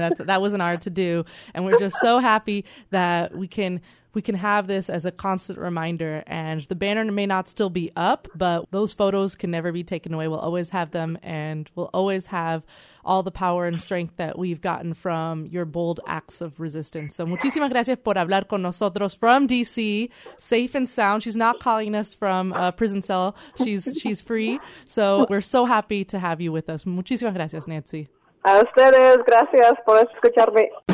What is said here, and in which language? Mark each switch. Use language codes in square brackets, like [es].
[en] That wasn't hard to do. And we're just so happy that we can have this as a constant reminder. And the banner may not still be up, but those photos can never be taken away. We'll always have them, and we'll always have all the power and strength that we've gotten from your bold acts of resistance. So [es] muchísimas gracias por hablar con nosotros [en] from D.C., safe and sound. She's not calling us from a prison cell. She's free. So we're so happy to have you with us. [es] Muchísimas gracias, Nancy. A ustedes. Gracias por escucharme.